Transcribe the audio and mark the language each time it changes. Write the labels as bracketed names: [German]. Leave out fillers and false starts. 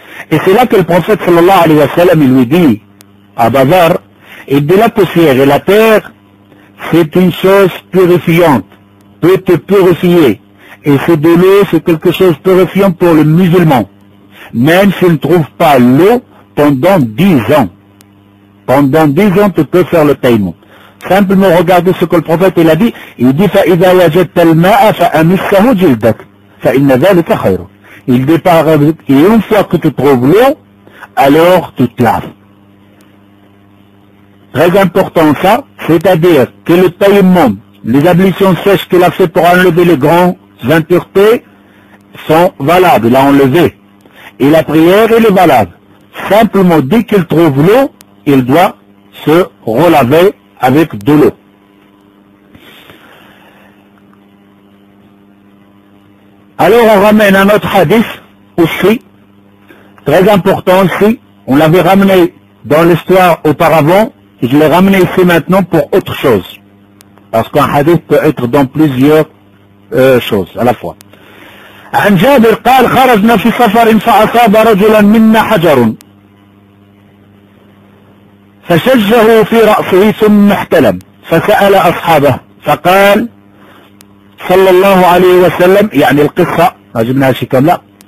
[French] Et c'est là que le prophète sallallahu alayhi wa sallam, il lui dit à Bazar, et de la poussière et la terre, c'est une chose purifiante, peut te purifier. Et c'est de l'eau, c'est quelque chose de purifiant pour le musulman, même s'il ne trouve pas l'eau pendant 10 ans. Pendant 10 ans, tu peux faire le taïmoum. Simplement, regardez ce que le prophète il a dit. Il dit: [Arabic] فَإِذَا وَجَدْتَ الْمَاءَ فَأَمِسَّهُ جِلْدَكَ فَإِنَّ ذَلِكَ خَيْرٌ. [French] Il dit: et une fois que tu trouves l'eau, alors tu te laves. Très important ça, c'est-à-dire que le taïmoum, les ablutions sèches qu'il a fait pour enlever les grandes impuretés, sont valables, il a enlevé. Et la prière, elle est valable. Simplement, dès qu'il trouve l'eau, il doit se relaver avec de l'eau. Alors, on ramène un autre hadith aussi, très important aussi. On l'avait ramené dans l'histoire auparavant, et je l'ai ramené ici maintenant pour autre chose. Parce qu'un hadith peut être dans plusieurs choses à la fois. [Arabic] عن جابر قال: خرجنا في سفر فأصاب رجلا منا حجر فشجه في رأسه ثم احتلم فسأل أصحابه فقال صلى الله عليه وسلم، يعني القصة ما جبناها شي كاملة،